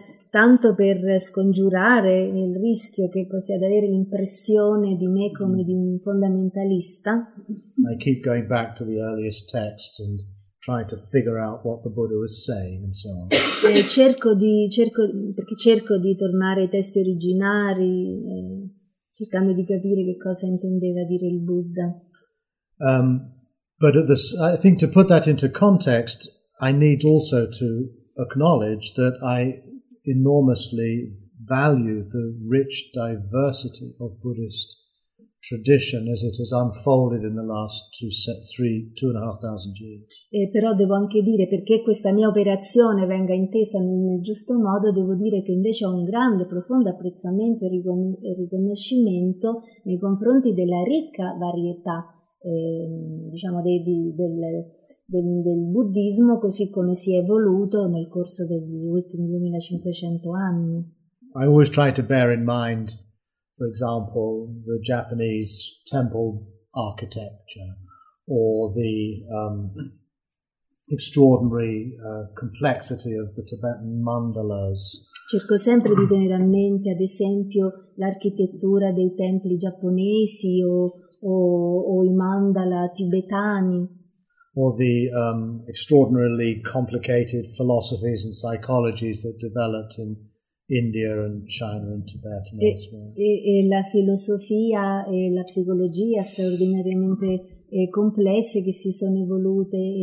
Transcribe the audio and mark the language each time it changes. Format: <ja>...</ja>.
<it>tanto per scongiurare il rischio che possiate ad avere l'impressione di me come di un fondamentalista.</it> <en>I keep going back to the earliest texts and trying to figure out what the Buddha was saying and so on.</en> <it>Cerco di tornare ai testi originari, cercando di capire che cosa intendeva dire il Buddha.</it> <en>I think to put that into context, I need also to acknowledge that I enormously value the rich diversity of Buddhist tradition as it has unfolded in the last two and a half thousand years.</en> <it>Però devo anche dire, perché questa mia operazione venga intesa nel giusto modo, devo dire che invece ho un grande, profondo apprezzamento e riconoscimento nei confronti della ricca varietà, diciamo, del buddismo così come si è evoluto nel corso degli ultimi 2500 anni.</it> <en>I always try to bear in mind, for example, the Japanese temple architecture, or the extraordinary complexity of the Tibetan mandalas.</en> <it>Cerco sempre di tenere a mente, ad esempio, l'architettura dei templi giapponesi o i mandala tibetani.</it> <en>Or the extraordinarily complicated philosophies and psychologies that developed in India and China and Tibet and elsewhere.</en> <it>E la filosofia e la psicologia straordinariamente complesse che si sono evolute</it>